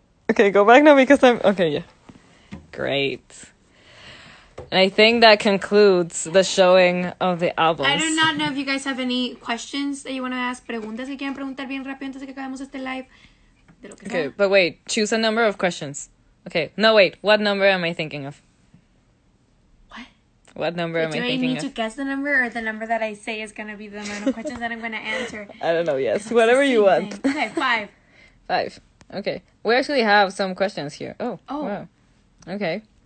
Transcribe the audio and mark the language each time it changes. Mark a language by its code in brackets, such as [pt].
[en] Okay, go back now because I'm okay, yeah. Great. And I think that concludes the showing of the albums. I do not know if you guys have any questions that you want to ask. [es] Preguntas que quieren preguntar bien rápido antes de que acabemos este live. [en] Okay, but wait, choose a number of questions. Okay. No wait, what number am I thinking of? What number am I thinking of? Do I need to guess the number or the number that I say is going to be the amount of questions that I'm going to answer? I don't know. Yes. Whatever you want. Thing. Okay. Five. Five. Okay. We actually have some questions here. Oh. Oh. Wow. Okay.